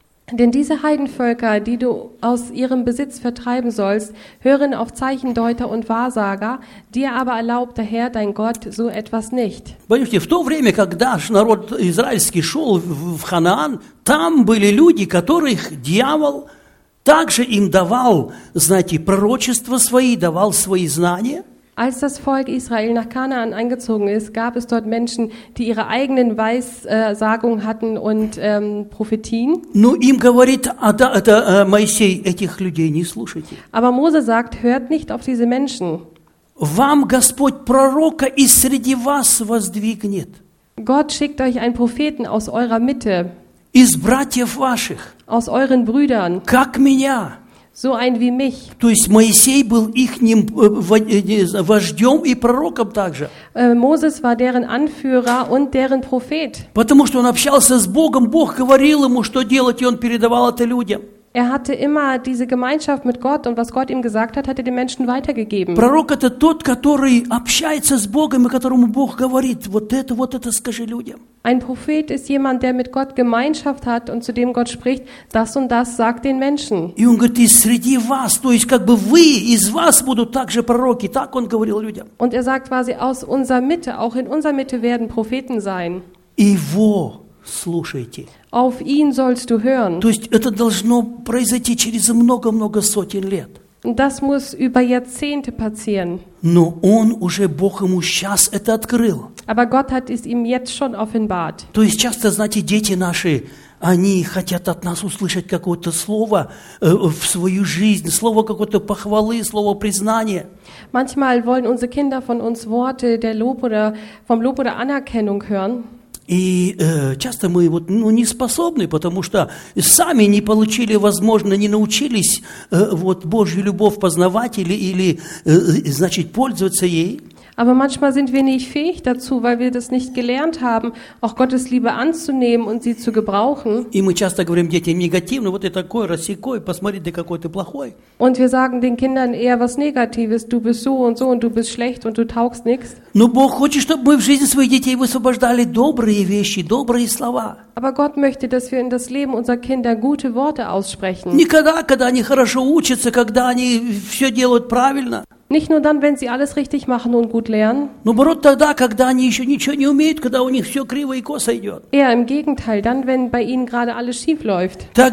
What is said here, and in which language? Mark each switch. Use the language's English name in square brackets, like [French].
[German] Denn diese Heidenvölker, die du aus ihrem Besitz vertreiben sollst, hören auf Zeichendeuter und Wahrsager, dir aber erlaubt der Herr, dein Gott, so etwas nicht. [Russian] Понимаете, в то время, когда народ израильский шел в Ханаан, там были люди, которых дьявол также им давал, знаете, пророчества свои, давал свои знания. [German] Als das Volk Israel nach Kanaan eingezogen ist, gab es dort Menschen, die ihre eigenen Weissagungen hatten und Prophetien. [Russian] Но им говорит, Моисей, этих людей не слушайте. [German] Aber Mose sagt, hört nicht auf diese Menschen. [Russian] Вам Господь пророка из среди вас воздвигнет. [German] Gott schickt euch einen Propheten aus eurer Mitte. [Russian] Из братьев ваших. [German] Aus euren Brüdern. [Russian] Как меня. [German] So ein wie mich. [Russian] То есть Моисей был ихним вождем и пророком также. [German] Moses war deren Anführer und deren Prophet. [Russian] Потому что он общался с Богом, Бог говорил ему, что делать, и он передавал это людям. [German] Er hatte immer diese Gemeinschaft mit Gott und was Gott ihm gesagt hat, hat er den Menschen weitergegeben. [Russian] Пророк это тот, который общается с Богом, и которому Бог говорит, вот это скажи людям. [German] Ein Prophet ist jemand, der mit Gott Gemeinschaft hat und zu dem Gott spricht, das und das sagt den Menschen. [Russian] И он говорит, среди вас, то есть как бы вы, из вас будут также пророки, так он говорил людям. [German] Und er sagt quasi, aus unserer Mitte, auch in unserer Mitte werden Propheten sein. [Russian] Его слушайте. [German] Auf ihn sollst du hören. [Russian] То есть это должно произойти через много-много сотен лет. [German] Das muss über Jahrzehnte passieren. [Russian] Но он уже, Бог ему сейчас это открыл. [German] Aber Gott hat es ihm jetzt schon offenbart. [Russian] То есть часто, знаете, дети наши, они хотят от нас услышать какое-то слово в свою жизнь, слово какой-то похвалы, слово признания. [German] Manchmal wollen unsere Kinder von uns Worte der Lob oder vom Lob oder Anerkennung hören. [Russian] И часто мы вот, ну, не способны, потому что сами не получили, возможно, не научились вот, Божью любовь познавать или значит, пользоваться ей. [German] Aber manchmal sind wir nicht fähig dazu, weil wir das nicht gelernt haben, auch Gottes Liebe anzunehmen und sie zu gebrauchen. [Russian] И мы часто говорим детям негативно, вот ты такой, рассекой, посмотри, ты какой ты плохой. [German] Und wir sagen den Kindern eher was Negatives, du bist so und du bist schlecht und du taugst nichts. [Russian] Но Бог хочет, чтобы мы в жизни своих детей высвобождали добрые вещи, добрые слова. [German] Aber Gott möchte, dass wir in das Leben unserer Kinder gute Worte aussprechen. [Russian] Никогда, когда они хорошо учатся, когда они все делают правильно. [German] Nicht nur dann, wenn sie alles richtig machen und gut lernen. Eher im Gegenteil, dann, wenn bei ihnen gerade alles schief läuft.